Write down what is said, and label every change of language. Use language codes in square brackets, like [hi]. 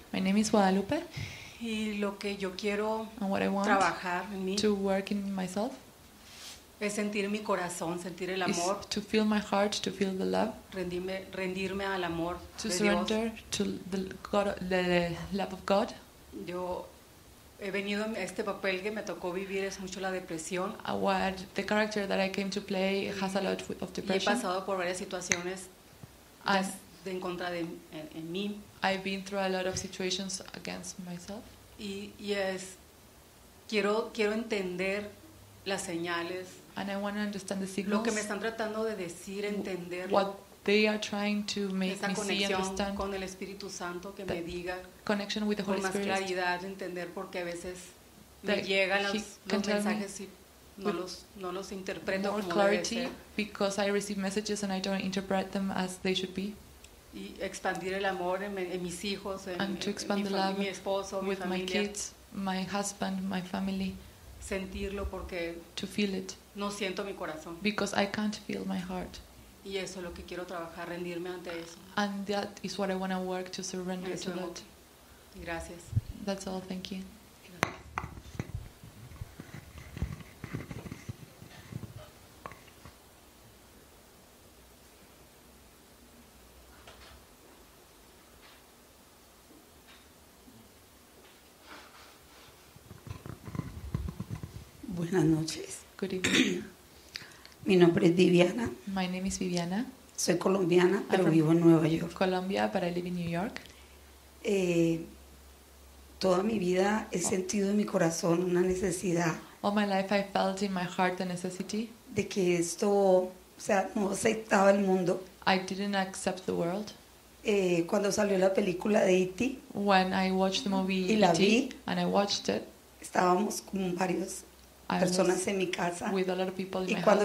[en] My name is Guadalupe. [es] Y lo que yo quiero trabajar en mí, [en] to work in myself, [es] es sentir mi corazón, sentir el amor. [en] To feel my heart, to feel the love. [es] Rendirme al amor de Dios. [en] To surrender to the God, the love of God. [es] Yo he venido a este papel que me tocó vivir es mucho la depresión. [en] The character that I came to play has a lot of depression. [es] Y he pasado por varias situaciones. En contra de en mí. [en] I've been through a lot of situations against myself. [es] Y quiero entender las señales. [en] And I want to understand the signals. [es] Lo que me están tratando de decir, entender. [en] What they are trying to make me see, understand. [es] Esa conexión con el Espíritu Santo que me diga. [en] Connection with the Holy Spirit. [es] Con más claridad, entender porque a veces me llegan los mensajes y no los interpreto como debe ser. [en] More clarity because I receive messages and I don't interpret them as they should be. [es] Y expandir el amor en mis hijos, mi esposo, mi familia. [en] My kids, my husband, my family. [es] Sentirlo porque [en] to feel it. [es] No siento mi corazón. [en] Because I can't feel my heart. [es] Y eso es lo que quiero trabajar, rendirme ante eso. [en] And that is what I want to work to surrender [es] eso [en] to that. [es] Gracias. [en] That's all, thank you. [es] Buenas noches. [en] Good evening. [es] Mi nombre es Viviana. [en] My name is Viviana. [es] Soy colombiana, pero vivo en Nueva York. [en] Colombia, but I live in New York. [es] Toda mi vida he sentido en mi corazón una necesidad. [en] All my life I felt in my heart the necessity. [es] De que esto, o sea, no aceptaba el mundo. [en] I didn't accept the world. [es] Cuando salió la película de E.T. [en] When I watched the movie [es] y la [en] E.T. [es] vi, [en] and I watched it. [es] Estábamos con varios personas en mi casa. [en] With a lot of people in [es] y cuando